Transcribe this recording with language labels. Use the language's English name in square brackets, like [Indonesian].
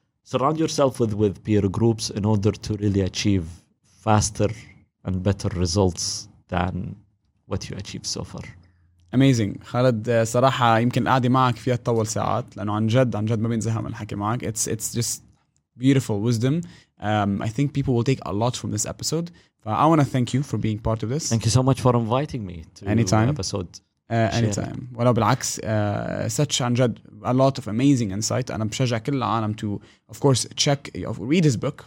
[English] Surround yourself with peer groups in order to really achieve faster and better results than what you achieved so far. Amazing. [Arabic] Khaled, صراحة يمكن قاعدي معك فيها تطول ساعات لأنه عن جد ما بينزهق من الحكي معك. [English] It's just beautiful wisdom. I think people will take a lot from this episode. But I want to thank you for being part of this. Thank you so much for inviting me to anytime. Episode. Anytime. [Arabic] ولو بالعكس, [English] such [Arabic] عن جد [English] a lot of amazing insight. [Arabic] أنا بشجع كل العالم [English] to of course check, read his book.